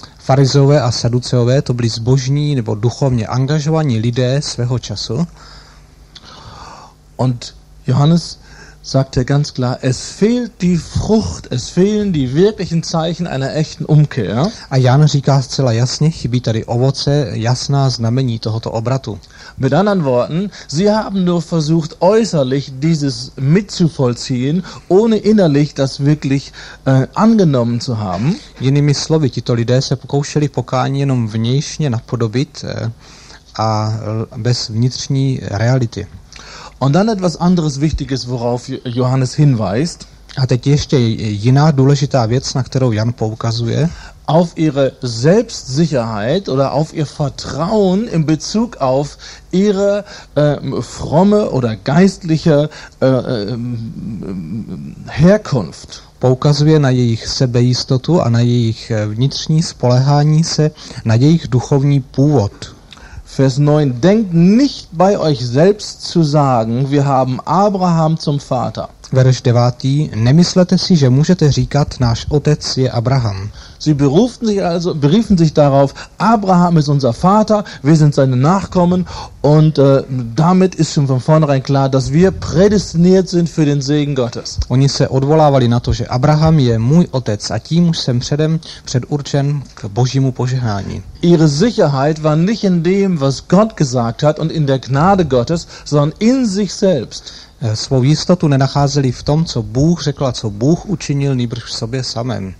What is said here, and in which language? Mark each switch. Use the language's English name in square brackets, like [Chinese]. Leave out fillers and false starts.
[Czech] Farizové a Sadduceové, to byli zbožní nebo duchovně angažovaní lidé svého času. [German] Und Johannes sagt ja ganz klar, es fehlt die Frucht, es fehlen die wirklichen Zeichen einer echten Umkehr. [Czech] A Jan říká zcela jasně, chybí tady ovoce, jasná znamení tohoto obratu. [German] Mit anderen Worten, sie haben nur versucht, äußerlich dieses mitzuvollziehen, ohne innerlich das wirklich angenommen zu haben. [Czech] Jinými slovy, tito lidé se pokoušeli pokání jenom vnějšně napodobit a bez vnitřní reality. [German] Und dann etwas anderes Wichtiges, worauf Johannes hinweist. [Czech] A teď ještě jiná důležitá věc, na kterou Jan poukazuje. [German] Auf ihre Selbstsicherheit oder auf ihr Vertrauen in Bezug auf ihre fromme oder geistliche Herkunft. [Czech] Poukazuje na jejich sebejistotu a na jejich vnitřní spoléhání se, na jejich duchovní původ. [German] Vers 9, denkt nicht bei euch selbst zu sagen, wir haben Abraham zum Vater. [Czech] Verš 9, nemyslete si, že můžete říkat, náš otec je Abraham. [German] Sie beriefen sich darauf, Abraham ist unser Vater, wir sind seine Nachkommen und damit ist schon von vornherein klar, dass wir prädestiniert sind für den Segen Gottes. [Czech] Oni se odvolávali na to, že Abraham je můj otec a tím už jsem předurčen k božímu požehnání. [German] Ihre Sicherheit war nicht in dem, was Gott gesagt hat und in der Gnade Gottes, sondern in sich selbst. [Czech] Svou jistotu nenacházeli v tom, co Bůh řekl a co Bůh učinil, nýbrž v sobě samém.